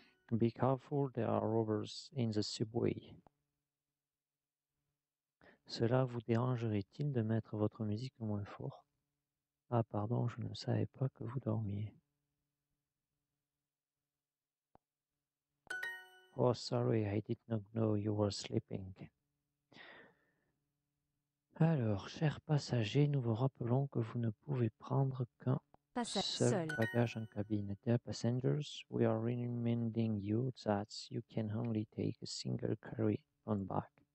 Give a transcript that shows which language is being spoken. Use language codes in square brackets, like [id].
[en] Be careful, there are robbers in the subway. [fr] Cela vous dérangerait-il de mettre votre musique moins fort? Ah pardon, je ne savais pas que vous dormiez. [en] Oh sorry, I did not know you were sleeping. [fr] Alors, chers passagers, nous vous rappelons que vous ne pouvez prendre qu'un seul bagage en cabine. [en] Dear passengers, we are reminding you that you can only take a single carry on back.